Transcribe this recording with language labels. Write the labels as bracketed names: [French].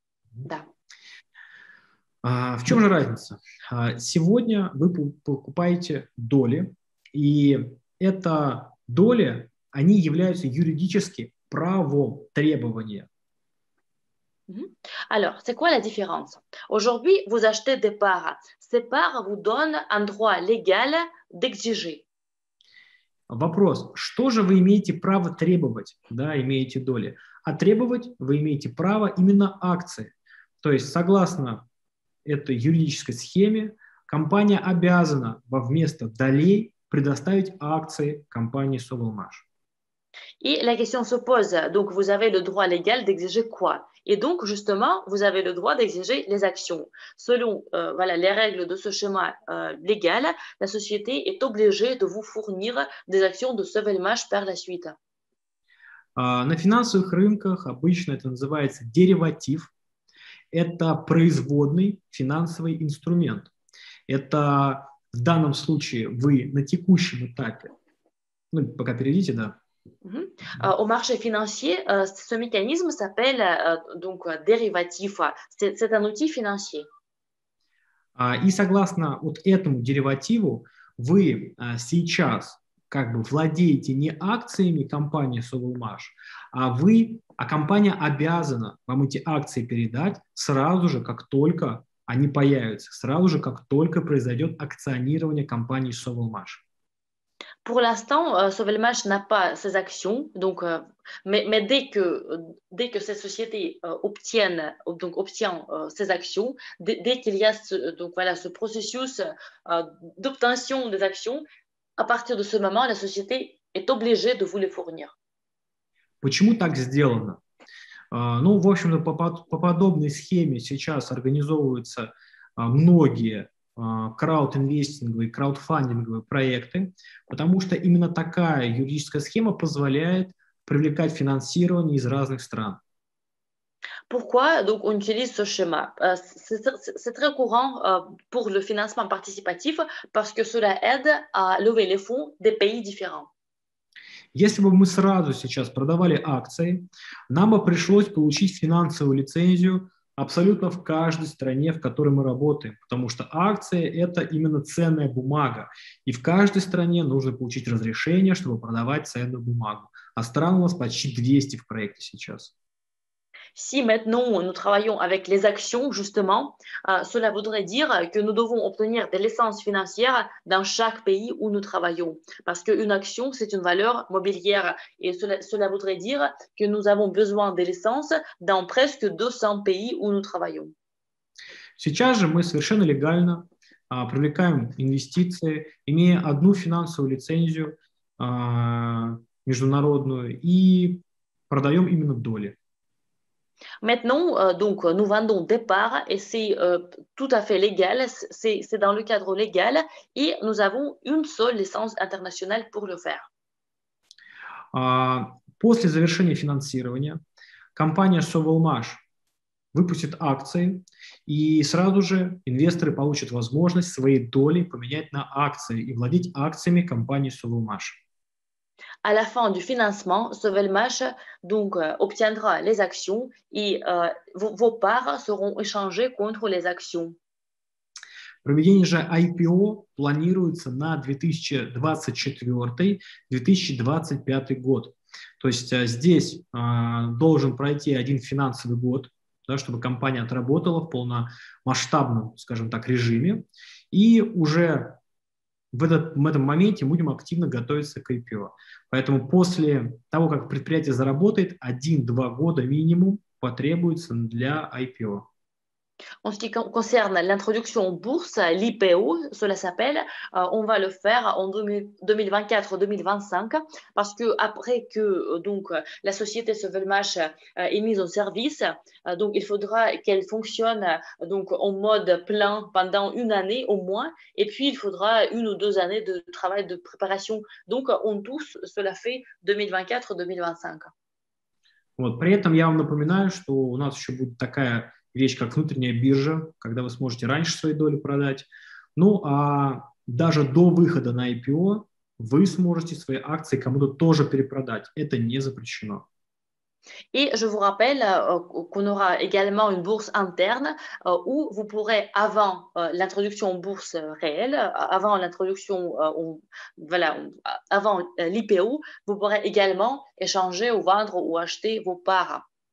[Russian] Да. В чем же разница? Сегодня вы покупаете доли, и это доли, они являются юридически правотребования. [French] Alors, c'est quoi la différence? Aujourd'hui, vous achetez des parts. Ces parts vous donnent un droit légal d'exiger. [Russian] Вопрос, что же вы имеете право требовать, да, имеете доли? А требовать вы имеете право именно акции. То есть, согласно этой юридической схеме, компания обязана во вместо долей предоставить акции компании Sovelmash. [French] Et la question se pose, donc vous avez le droit légal d'exiger quoi? Et donc justement, vous avez le droit d'exiger les actions. Selon voilà, les règles de ce schéma légal, la société est obligée de vous fournir des actions de Sovelmash par la suite. [Russian] На финансовых рынках обычно это называется дериватив. Это производный финансовый инструмент. Это в данном случае вы на текущем этапе. Ну, пока перейдите, да. [French] Au marché financier, ce mécanisme s'appelle donc dérivatif. C'est un outil financier. [Russian] И согласно вот этому деривативу, вы сейчас как бы владеете не акциями компании Sovelmash, а компания обязана вам эти акции передать сразу же, как только они появятся, сразу же, как только произойдет акционирование компании Sovelmash. [French] Pour l'instant, Sovelmash n'a pas ses actions, donc, mais dès que cette société obtient ses actions, dès qu'il y a ce processus d'obtention des actions, à partir de ce moment, la société est obligée de vous les fournir. [Russian] Почему так сделано? Ну, в общем-то, по подобной схеме сейчас организовываются многие краудинвестинговые, краудфандинговые проекты, потому что именно такая юридическая схема позволяет привлекать финансирование из разных стран. [French] Pourquoi donc on utilise ce schéma? C'est très courant pour le financement participatif parce que cela aide à lever les fonds des pays différents. [Russian] Если бы мы сразу сейчас продавали акции, нам бы пришлось получить финансовую лицензию абсолютно в каждой стране, в которой мы работаем, потому что акции – это именно ценная бумага, и в каждой стране нужно получить разрешение, чтобы продавать ценную бумагу. А стран у нас почти 200 в проекте сейчас. [French] Si maintenant nous travaillons avec les actions, justement, cela voudrait dire que nous devons obtenir des licences financières dans chaque pays où nous travaillons. Parce qu'une action, c'est une valeur mobilière. Et cela voudrait dire que nous avons besoin des licences dans presque 200 pays où nous travaillons. [Russian] Сейчас же мы совершенно легально привлекаем инвестиции, имея одну финансовую лицензию международную, и продаем именно доли. [French] Maintenant, donc, nous vendons des parts et c'est tout à fait légal, c'est dans le cadre légal et nous avons une seule licence internationale pour le faire. [Russian] После завершения финансирования компания Sovelmash выпустит акции и сразу же инвесторы получат возможность свои доли поменять на акции и владеть акциями компании Sovelmash. [French] À la fin du financement, Sovelmash donc obtiendra les actions et vos parts seront échangées contre les actions. [Russian] Проведение же IPO планируется на 2024-2025 год. То есть здесь должен пройти один финансовый год, да, чтобы компания отработала в полномасштабном, скажем так, режиме. И уже в этом моменте будем активно готовиться к IPO. Поэтому после того, как предприятие заработает, 1-2 года минимум потребуется для IPO. [French] En ce qui concerne l'introduction en bourse, l'IPO, cela s'appelle, on va le faire en 2024-2025 parce que après que donc la société Sovelmash est mise en service, donc il faudra qu'elle fonctionne donc en mode plein pendant une année au moins et puis il faudra une ou deux années de travail de préparation. Donc en tout, cela fait 2024-2025. [Russian] Вот, при этом я вам напоминаю, что у нас еще будет такая вещь, как внутренняя биржа, когда вы сможете раньше свои доли продать. Ну, а даже до выхода на IPO вы сможете свои акции кому-то тоже перепродать. Это не запрещено. И [French] je vous rappelle qu'on aura également une bourse interne où vous pourrez, avant l'introduction en bourse réelle, avant l'introduction, voilà, avant l'IPO, vous pourrez également échanger ou vendre ou acheter vos parts.